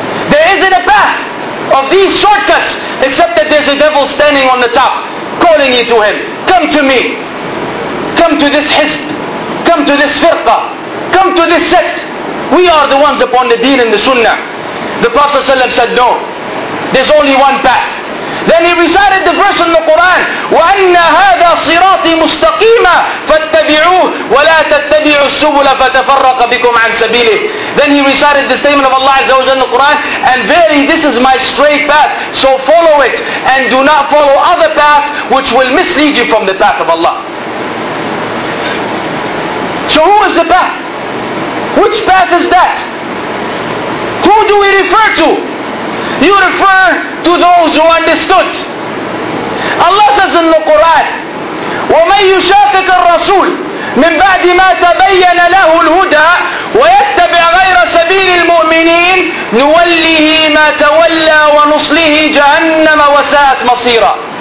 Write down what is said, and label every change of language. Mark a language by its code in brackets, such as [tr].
[en] There isn't a path of these shortcuts, except that there's a devil standing on the top, calling you to him. Come to me. Come to this hizb. Come to this firqa. Come to this sect. We are the ones upon the deen and the sunnah. The Prophet ﷺ said, no, there's only one path. Then he recited the verse in the Quran, [ar] وَأَنَّ هَذَا صِرَاطِ مُسْتَقِيمًا فَاتَّبِعُوهُ وَلَا تَتَّبِعُوا السُّبُلَ فَتَفَرَّقَ بِكُمْ عَنْ سَبِيلِهِ. [en] Then he recited the statement of Allah ﷺ in the Quran, and verily this is my straight path, so follow it, and do not follow other paths which will mislead you from the path of Allah. So who is the path? Which path is that? Who do we refer to? You refer to those who understood. Allah says in the Quran, [ar] وَمَنْ يُشَاقِقَ الرَّسُولِ مِنْ بَعْدِ مَا تَبَيَّنَ لَهُ الْهُدَى وَيَتَّبِعْ غَيْرَ سَبِيلِ الْمُؤْمِنِينَ نُوَلِّهِ مَا تَوَلَّى وَنُصْلِهِ جَهَنَّمَ وَسَاءَتْ مَصِيرًا.